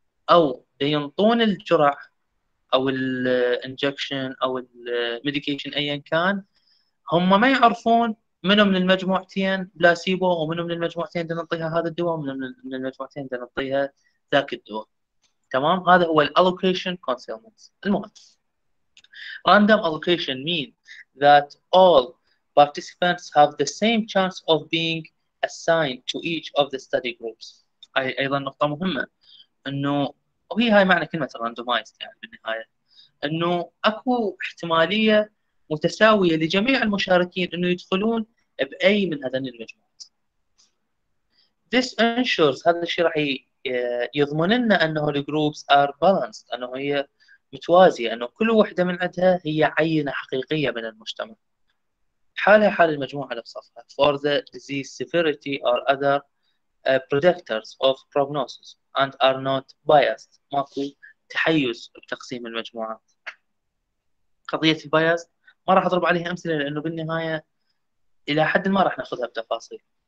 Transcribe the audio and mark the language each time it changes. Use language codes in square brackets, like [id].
[ar] أو دي ينطون الجرع او الانجكشن او الميديكيشن ايا كان، هم ما يعرفون منو من المجموعتين بلاسيبو ومنو من المجموعتين بدنا نعطيها هذا الدواء ومنو من المجموعتين بدنا نعطيها ذاك الدواء، تمام؟ هذا هو الالوكيشن كونسيلمنت. المهم، راندوم الوكيشن مين [en] that all participants have the same chance of being assigned to each of the study groups. [ar] أيضا نقطة مهمة إنه وهي هاي معنى كلمة randomized يعني بالنهاية إنه أكو احتمالية متساوية لجميع المشاركين إنه يدخلون بأي من هذين المجموعات. [en] This ensures [ar] هذا الشيء راح يضمن لنا أنه [en] the groups are balanced [ar] أنه هي متوازية أنه كل واحدة من عندها هي عينة حقيقية من المجتمع حالها حال المجموعة اللي بصفها [en] for the disease severity or other predictors of prognosis and are not biased [ar] ماكو تحيز بتقسيم المجموعات قضية البايس ما راح أضرب عليها أمثلة لأنه بالنهاية إلى حد ما راح نأخذها بتفاصيل